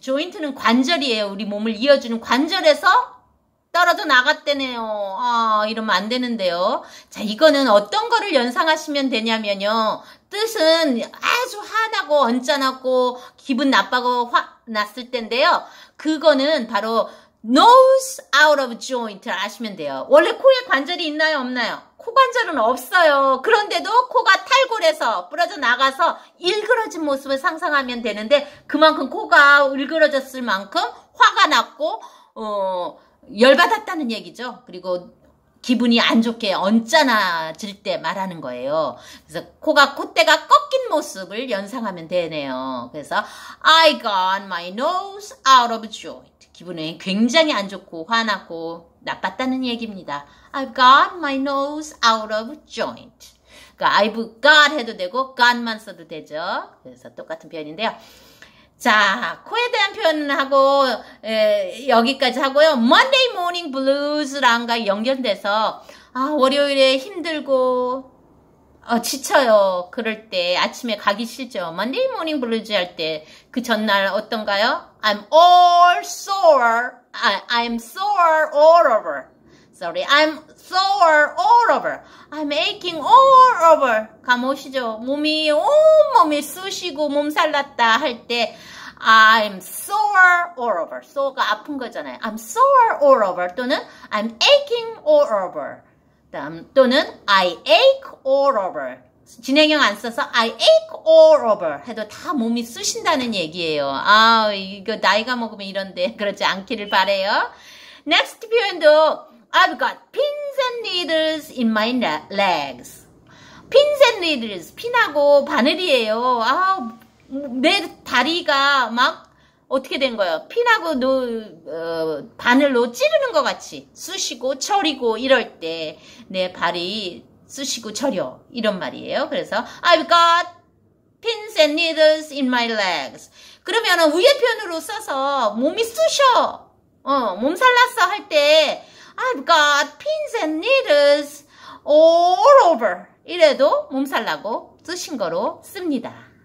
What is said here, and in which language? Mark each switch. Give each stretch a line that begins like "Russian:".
Korean: joint는 관절이에요. 우리 몸을 이어주는 관절에서 떨어져 나갔대네요. 아, 이러면 안 되는데요. 자, 이거는 어떤 거를 연상하시면 되냐면요. 뜻은 아주 화나고 언짢았고 기분 나빠고 화 났을 때인데요. 그거는 바로 nose out of joint를 아시면 돼요. 원래 코에 관절이 있나요, 없나요? 코관절은 없어요. 그런데도 코가 탈골해서 부러져 나가서 일그러진 모습을 상상하면 되는데 그만큼 코가 일그러졌을 만큼 화가 났고 열받았다는 얘기죠. 그리고 기분이 안 좋게 언짢아질 때 말하는 거예요. 그래서 코가 콧대가 꺾인 모습을 연상하면 되네요.
English: 그래서 I got my nose out of joint.
Korean: 기분이 굉장히 안 좋고 화났고 나빴다는 얘기입니다.
English: I've got my nose out of joint.
Korean: 그러니까 I've got 해도 되고 got만 써도 되죠. 그래서 똑같은 표현인데요. 자, 코에 대한 표현은 하고 여기까지 하고요. Monday morning blues랑과 연결돼서 월요일에 힘들고 지쳐요. 그럴 때 아침에 가기 싫죠. Monday morning blues 할때그 전날 어떤가요?
English: I'm all sore. I'm sore all over. Sorry, I'm sore all over. I'm aching all over.
Korean: 감오시죠? 몸이 온몸이 쑤시고 몸살 났다 할 때.
English: I'm sore all over.
Korean: sore가 아픈 거잖아요.
English: I'm sore all over. 또는 I'm aching all over.
Korean: 다음, 또는
English: I ache all over.
Korean: 진행형 안 써서
English: I ache all over
Korean: 해도 다 몸이 쑤신다는 얘기예요. 아, 이거 나이가 먹으면 이런데 그러지 않기를 바래요.
English: Next
Korean: 표현도
English: I've got pins and needles in my legs.
Korean: pins and needles. 핀하고 바늘이에요. 아, 내 다리가 막 어떻게 된 거예요? 핀하고 바늘로 찌르는 것 같이 쑤시고 저리고 이럴 때내 발이 쑤시고 저려 이런 말이에요.
English: 그래서 I've got pins and needles in my legs.
Korean: 그러면은 위에 표현으로 써서 몸이 쑤셔, 몸살났어 할때
English: I've got pins and needles all over
Korean: 이래도 몸살 나고 쑤신 거로 씁니다.